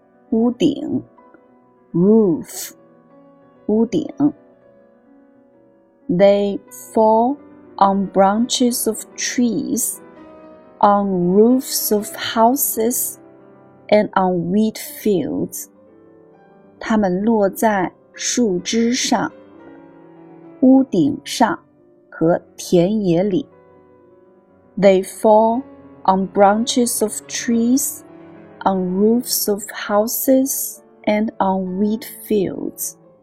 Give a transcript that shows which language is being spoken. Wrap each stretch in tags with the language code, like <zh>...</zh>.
<en>屋顶 roof, 屋顶 They fall on branches of trees, on roofs of houses, and on wheat fields.</en> <zh>它们落在树枝上、屋顶上和田野里。</zh> <en>They fall on branches of trees,On roofs of houses and on wheat fields.</en>